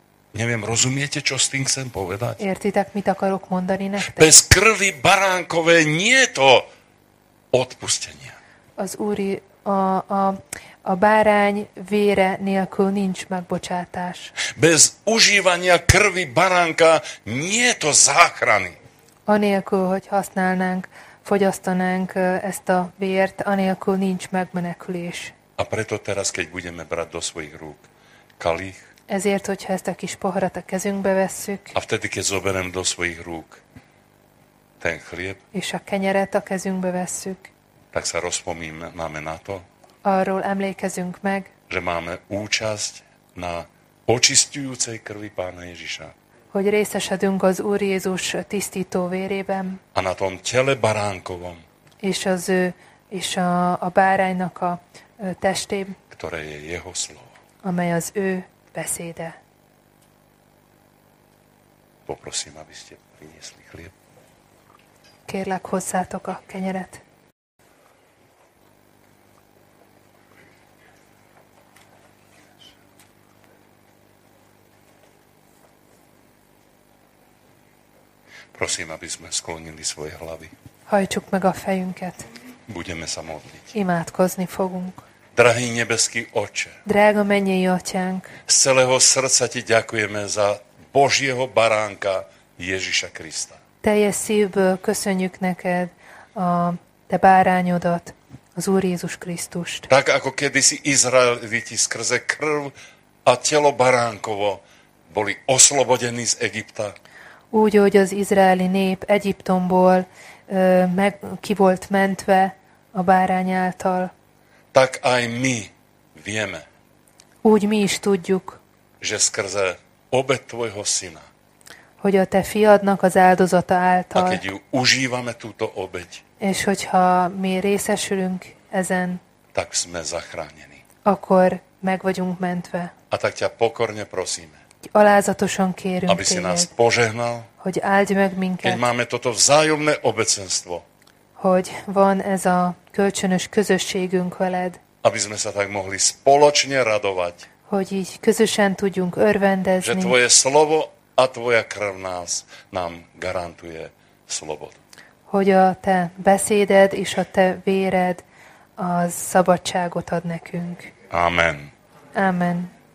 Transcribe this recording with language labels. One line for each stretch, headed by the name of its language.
Slovak: Nem viem, rozumiete, čo s tým chcem povedať?
Hungarian: Értitek, mit akarok mondani nektek?
Slovak: Bez krvi baránkové nie to odpustenia.
Hungarian: Az Úri, a bárány vére nélkül nincs megbocsátás.
Slovak: Bez užívania krvi baránka nie to záchrany.
Hungarian: Anélkül, hogy használnánk, fogyasztanánk ezt a vért, anélkül nincs megmenekülés.
Slovak: A preto teraz, keď budeme brať do svojich rúk kalich,
Hungarian: ezért, hogyha ezt a kis poharat a kezünkbe vesszük,
Slovak: a vtedy, keď zoberem do svojich rúk ten chlieb,
Hungarian: és a kenyeret a kezünkbe vesszük,
Slovak: tak sa rozpomíname na to,
Hungarian: arról emlékezünk meg,
Slovak: že máme účasť na očistujúcej krvi Pána Ježiša.
Hungarian: Hogy részesedünk az Úr Jézus tisztító vérében.
Slovak: A na tom tele baránkovom.
Hungarian: És az ő, és a báránynak a testém.
Slovak: Ktoré je jeho slovo.
Hungarian: Amely az ő beszéde.
Slovak: Poprosím, aby ste priniesli chlieb.
Hungarian: Kérlek, hozzátok a kenyeret.
Slovak: Prosím, aby sme sklonili svoje hlavy.
Hungarian: Hajtsuk meg a fejünket.
Slovak: Budeme sa modliť.
Hungarian: Imádkozni fogunk.
Slovak: Drahý nebeský Otče.
Hungarian: Drága mennyei Atyánk.
Slovak: Z celého srdca ti ďakujeme za Božieho baránka Ježiša Krista.
Hungarian: Teljes szívből köszönjük neked a te bárányodat, az Úr Jézus Krisztust.
Slovak: Tak ako kedysi Izraeliti skrze krv a telo baránkovo boli oslobodení z Egypta.
Hungarian: Úgy, hogy az izraeli nép Egyiptomból ki volt mentve a bárány által.
Slovak: Tak aj mi vieme.
Hungarian: Úgy mi is tudjuk.
Slovak: Že skrze obet tvojho syna.
Hungarian: Hogy a te fiadnak az áldozata által.
Slovak: A keď ju užívame túto obeť.
Hungarian: És hogyha mi részesülünk ezen.
Slovak: Tak sme zachránení.
Hungarian: Akkor meg vagyunk mentve.
Slovak: A tak ťa pokorne prosíme.
Hungarian: Alázatosan kérünk téged,
Slovak: aby si nás požehnal,
Hungarian: hogy áldj meg minket,
Slovak: keď máme toto vzájomné obecenstvo,
Hungarian: hogy van ez a kölcsönös közösségünk veled,
Slovak: aby sme sa tak mohli spoločne radovať,
Hungarian: hogy így közösen tudjunk örvendezni,
Slovak: že tvoje slovo a tvoja krv nám garantuje slobodu.
Hungarian: Hogy a te beszéded és a te véred az szabadságot ad nekünk. Amen. Amen.